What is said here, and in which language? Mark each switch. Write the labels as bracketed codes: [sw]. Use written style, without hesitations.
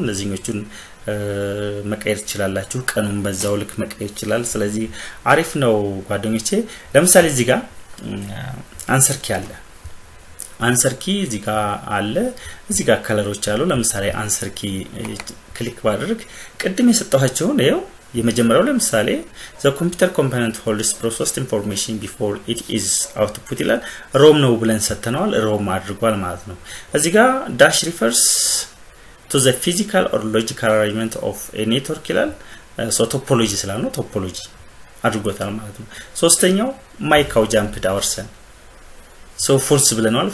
[am] እነዚህኞቹን መቀየር ይችላልላችሁ, ቀኑን በዛው ልክ መቀየር ይችላል. ስለዚህ አሪፍ ነው ጓደኞቼ. ለምሳሌ እዚህ ጋር answer key አለ. answer key እዚህ ጋር አለ. እዚህ ጋር ከለሮች አሉ. ለምሳሌ answer key ክሊክ ባድርግ ቀድም እየሰጠኋቸው ነው. የመጀመሪያው ለምሳሌ [en] the computer component holds processed information before it is output ይላል. [am] ROM ነው ብለን ሰጥተናል. ROM አድርጓል ማለት ነው. እዚህ ጋር [en] dash refers to the physical or logical arrangement of a network ይላል. [am] so topology ስላል ነው. topology አድርጎታል ማለት ነው. ሶስተኛው ማይካው ጃምፕድ አወርሰን [en] so false [am] ብለናል.